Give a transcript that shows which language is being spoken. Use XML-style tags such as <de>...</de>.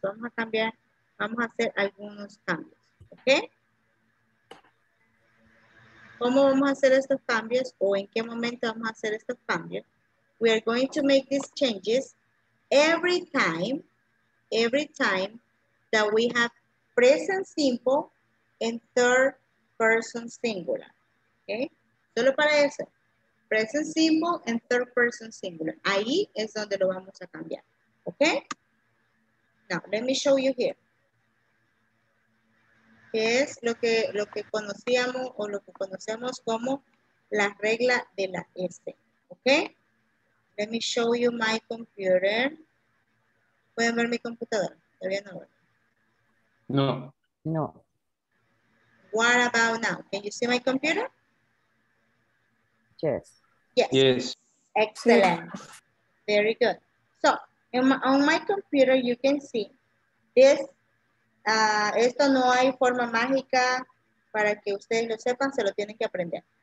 <es>Vamos a cambiar, vamos a hacer algunos cambios. Okay. ¿Cómo vamos a hacer estos cambios o en qué momento vamos a hacer estos cambios?</es> <en>We are going to make these changes every time that we have present simple and third person singular. Okay?</en> <es>Solo para eso.</es> <en>Present simple and third person singular.</en> <es>Ahí es donde lo vamos a cambiar. Okay?</es> <en>Now, let me show you here.</en> <es>¿Qué es lo que conocíamos o lo que conocemos como la regla de la S?</es> <en>Okay? Let me show you my computer.</en> <es>¿Pueden ver mi computadora? ¿Todavía no? No.</es> <en>What about now? Can you see my computer? Yes. Yes. Excellent. Very good. So, on my computer, you can see this.</en> <es>Esto no hay forma mágica para que ustedes lo sepan, se lo tienen que aprender.</es>